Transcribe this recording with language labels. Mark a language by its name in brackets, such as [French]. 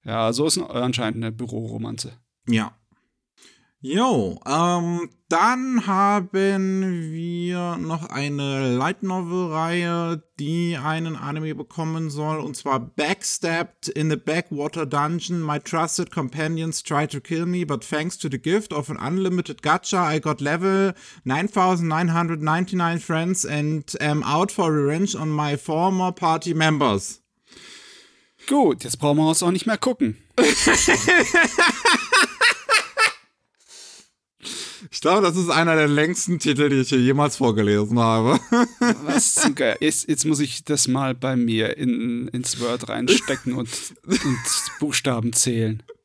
[German] So ist anscheinend eine Büroromanze. Ja. Jo, dann haben wir noch eine Light Novel-Reihe, die einen Anime bekommen soll, und zwar Backstabbed in the Backwater Dungeon. [English] My trusted companions tried to kill me, but thanks to the gift of an unlimited gacha, I got level 9999 friends and am out for revenge on my former party members. [German] Gut, jetzt brauchen wir uns auch nicht mehr gucken. Ich glaube, das ist einer der längsten Titel, die ich hier jemals vorgelesen habe. Was zum Geil. Jetzt muss ich das mal bei mir ins Word reinstecken und Buchstaben zählen.